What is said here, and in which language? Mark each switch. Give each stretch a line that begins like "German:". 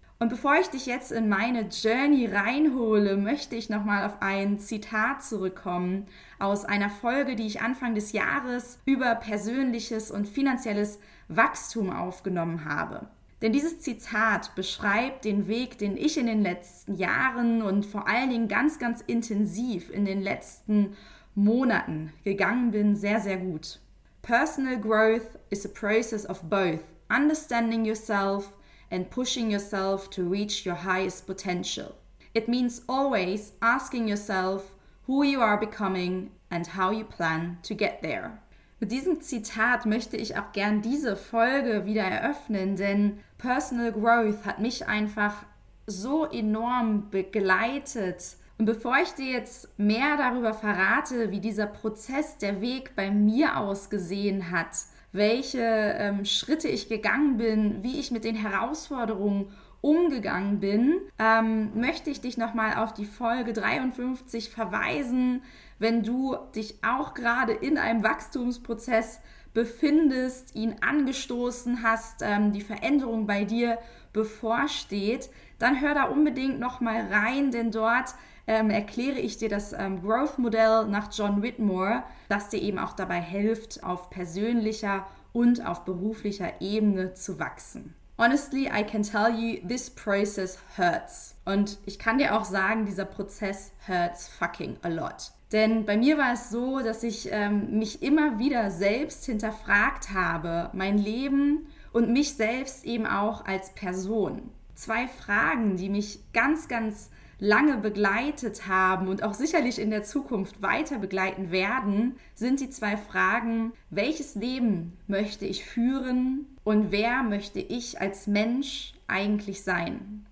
German: Und bevor ich dich jetzt in meine Journey reinhole, möchte ich nochmal auf ein Zitat zurückkommen aus einer Folge, die ich Anfang des Jahres über persönliches und finanzielles Wachstum aufgenommen habe. Denn dieses Zitat beschreibt den Weg, den ich in den letzten Jahren und vor allen Dingen ganz, ganz intensiv in den letzten Monaten gegangen bin, sehr, sehr gut.
English: Personal growth is a process of both understanding yourself and pushing yourself to reach your highest potential. It means always asking yourself who you are becoming and how you plan to get there.
German: Mit diesem Zitat möchte ich auch gern diese Folge wieder eröffnen, denn Personal Growth hat mich einfach so enorm begleitet. Und bevor ich dir jetzt mehr darüber verrate, wie dieser Prozess, der Weg bei mir ausgesehen hat, welche Schritte ich gegangen bin, wie ich mit den Herausforderungen umgegangen bin, möchte ich dich nochmal auf die Folge 53 verweisen. Wenn du dich auch gerade in einem Wachstumsprozess befindest, ihn angestoßen hast, die Veränderung bei dir bevorsteht, dann hör da unbedingt nochmal rein, denn dort erkläre ich dir das Growth-Modell nach John Whitmore, das dir eben auch dabei hilft, auf persönlicher und auf beruflicher Ebene zu wachsen.
English: Honestly, I can tell you, this process hurts.
German: Und ich kann dir auch sagen, dieser Prozess
English: hurts fucking a lot.
German: Denn bei mir war es so, dass ich mich immer wieder selbst hinterfragt habe, mein Leben und mich selbst eben auch als Person. Zwei Fragen, die mich ganz, ganz lange begleitet haben und auch sicherlich in der Zukunft weiter begleiten werden, sind die zwei Fragen, welches Leben möchte ich führen und wer möchte ich als Mensch eigentlich sein?